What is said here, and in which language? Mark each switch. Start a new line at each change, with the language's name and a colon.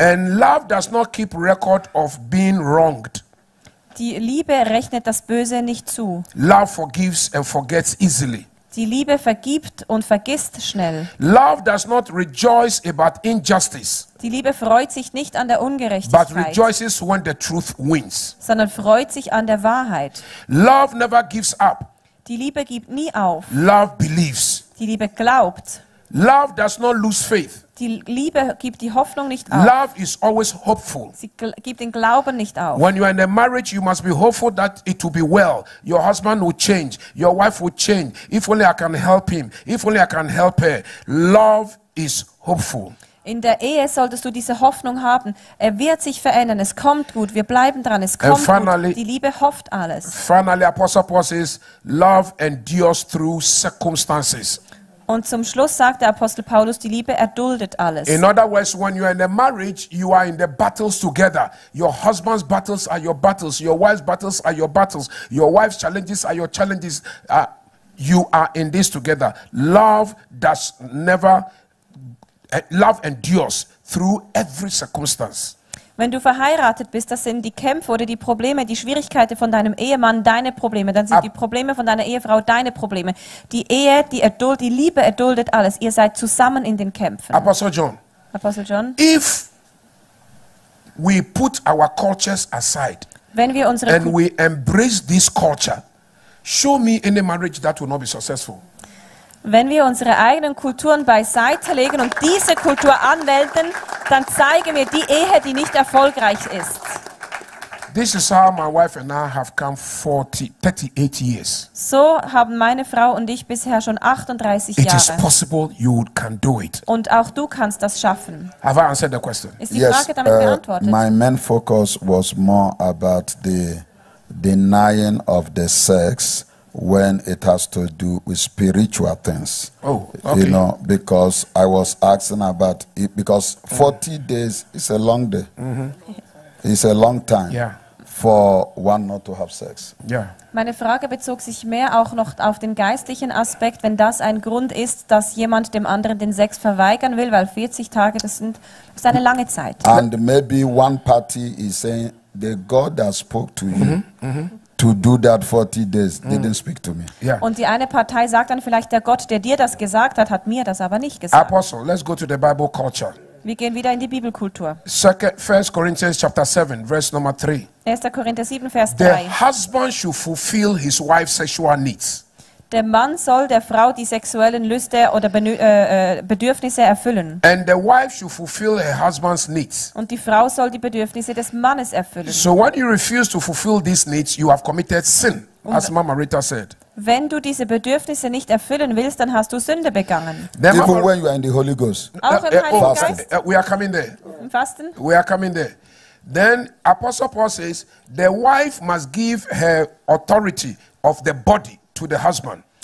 English: And love does not keep record of being wronged.
German: Die Liebe rechnet das Böse nicht zu.
English: Love forgives and forgets easily.
German: Die Liebe vergibt und vergisst schnell.
English: Love does not rejoice about injustice.
German: Die Liebe freut sich nicht an der Ungerechtigkeit,
English: but rejoices when the truth wins.
German: Sondern freut sich an der Wahrheit.
English: Love never gives up.
German: Die Liebe gibt nie auf.
English: Love believes.
German: Die Liebe glaubt.
English: Love does not lose faith.
German: Die Liebe gibt die Hoffnung nicht auf.
English: Love is always hopeful.
German: Sie gibt den Glauben nicht auf.
English: When you are in a marriage, you must be hopeful that it will be well. Your husband will change. Your wife will change. If only I can help him. If only I can help her. Love is hopeful.
German: In der Ehe solltest du diese Hoffnung haben. Er wird sich verändern. Es kommt gut. Wir bleiben dran. Es kommt
English: finally,
German: gut. Die Liebe hofft alles.
English: Finally, Apostle Paul says, love endures through circumstances.
German: Und zum Schluss sagt der Apostel Paulus, die Liebe erduldet alles.
English: In other words, when you are in a marriage, you are in the battles together. Your husband's battles are your battles. Your wife's battles are your battles. Your wife's challenges are your challenges. You are in this together. Love does never, love endures through every circumstance.
German: Wenn du verheiratet bist, das sind die Kämpfe oder die Probleme, die Schwierigkeiten von deinem Ehemann, deine Probleme. Dann sind die Probleme von deiner Ehefrau, deine Probleme. Die Ehe, die Erduld, die Liebe erduldet alles. Ihr seid zusammen in den Kämpfen.
English: Apostel John. If we put our cultures aside,
German: wenn wir unsere
English: and we embrace this culture, show me any marriage that will not be successful.
German: Wenn wir unsere eigenen Kulturen beiseite legen und diese Kultur anwenden, dann zeige mir die Ehe, die nicht erfolgreich ist.
English: This is how my wife and I have come 38 years.
German: So haben meine Frau und ich bisher schon 38
English: it
German: Jahre.
English: It is possible you can do it.
German: Und auch du kannst das schaffen.
English: Have I answered the question?
German: Ist die
English: yes,
German: Frage damit beantwortet?
English: My main focus was more about the denying of the sex when it has to do with spiritual things. Oh, okay. You know, because I was asking about it, because 40 days is a long day. Mm-hmm. It's a long time for one not to have sex. Yeah.
German: Meine Frage bezog sich mehr auch noch auf den geistlichen Aspekt, wenn das ein Grund ist, dass jemand dem anderen den Sex verweigern will, weil 40 Tage, das ist eine lange Zeit.
English: And maybe one party is saying, the God that spoke to you, to do that 40 days, didn't speak to me. Yeah.
German: Und die eine Partei sagt dann vielleicht, der Gott, der dir das gesagt hat, hat mir das aber nicht gesagt.
English: Apostle, let's go to the Bible culture.
German: Wir gehen wieder in die Bibelkultur.
English: 1 Corinthians chapter 7, verse number 3.
German: 1. Korinther 7, Vers 3.
English: The husband should fulfill his wife's sexual needs.
German: Der Mann soll der Frau die sexuellen Lüste oder Bedürfnisse erfüllen.
English: And the wife should fulfill her husband's needs.
German: Und die Frau soll die Bedürfnisse des Mannes erfüllen.
English: So when you refuse to fulfill these needs, you have committed sin, as Mama Rita said.
German: Wenn du diese Bedürfnisse nicht erfüllen willst, dann hast du Sünde begangen.
English: Then even when you are in the Holy Ghost.
German: Auch im Heiligen Geist.
English: We are coming there.
German: Im Fasten.
English: We are coming there. Then Apostle Paul says, the wife must give her authority of the body to the husband.